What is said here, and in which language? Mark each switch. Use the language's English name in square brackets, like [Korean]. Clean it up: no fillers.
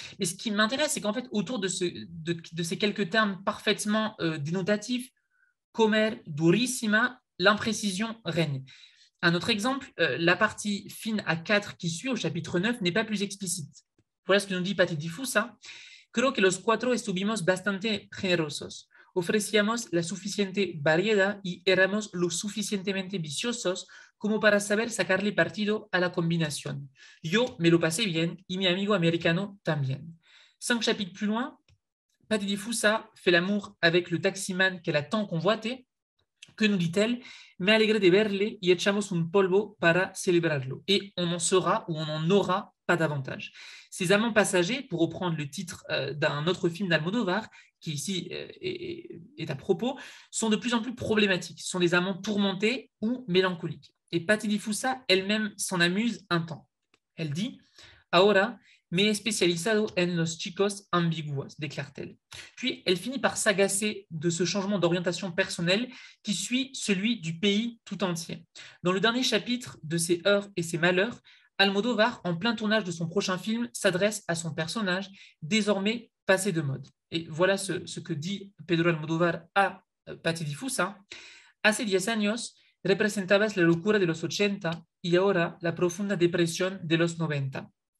[French] Mais ce qui m'intéresse, c'est qu'en fait, autour de ces quelques termes parfaitement dénotatifs, comer, durísima, l'imprécision règne. Un autre exemple, la partie fine à 4 qui suit au chapitre 9 n'est pas plus explicite. Voilà ce que nous dit Patti Di Fusa. [Spanish] Creo que los cuatro estuvimos bastante generosos. Ofrecíamos la suficiente variedad y éramos lo suficientemente viciosos como para saber sacarle partido a la combinación. Yo me lo pasé bien y mi amigo americano también. [French] 5 chapitres plus loin, Patti Di Fusa fait l'amour avec le taximan qu'elle a tant convoité. Que nous dit-elle? [Spanish] Me alegré de verle y echamos un polvo para celebrarlo. [French] Et on en sera ou on en aura pas davantage. Ces amants passagers, pour reprendre le titre d'un autre film d'Almodovar, qui ici est à propos, sont de plus en plus problématiques. Ce sont des amants tourmentés ou mélancoliques. Et Patti Di Fusa elle-même s'en amuse un temps. Elle dit « [Spanish] Ahora me he especializado en los chicos ambiguos [French] », déclare-t-elle. Puis elle finit par s'agacer de ce changement d'orientation personnelle qui suit celui du pays tout entier. Dans le dernier chapitre de « Ses heures et ses malheurs », Almodovar, en plein tournage de son prochain film, s'adresse à son personnage, désormais passé de mode. Et voilà ce que dit Pedro Almodovar à Patti Di Fusa. [Spanish] Hace 10 años, representabas la locura de los 80 y ahora la profunda depresión de los 90.